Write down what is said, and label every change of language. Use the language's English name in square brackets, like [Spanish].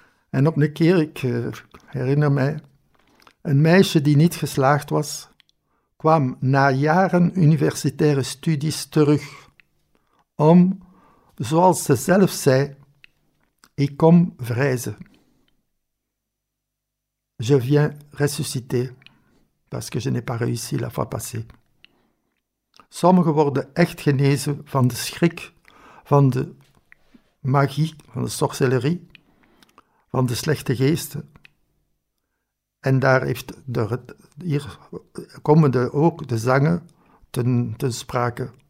[Dutch] En op een keer, ik herinner mij, een meisje die niet geslaagd was, kwam na jaren universitaire studies terug om, zoals ze zelf zei, ik kom vrijzen. [French] Je viens ressusciter, parce que je n'ai pas réussi la fois passée. [Dutch] Sommigen worden echt genezen van de schrik, van de magie, van de sorcellerie, van de slechte geesten. En daar heeft hier komen ook de zangen ten sprake.